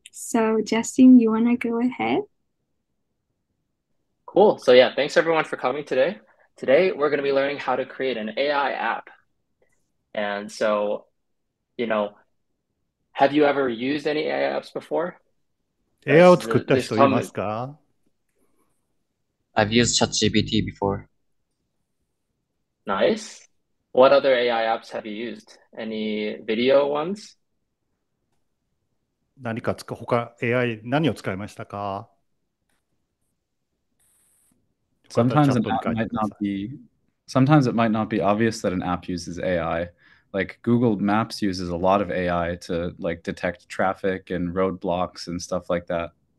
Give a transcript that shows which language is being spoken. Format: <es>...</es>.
<en>So Justin, you wanna go ahead? Cool. So yeah, thanks everyone for coming today. Today we're going to be learning how to create an AI app. And so, have you ever used any AI apps before?</en> <ja>AI を作った人いますか？</ja> <en>I've used ChatGPT before. Nice. What other AI apps have you used? Any video ones?</en> <ja>何か他 AI 何を使いましたか？よかったらチャットに書いてください。</ja> <en>Sometimes it might not be obvious that an app uses AI. Like Google Maps uses a lot of AI to like detect traffic and roadblocks and stuff like that.</en>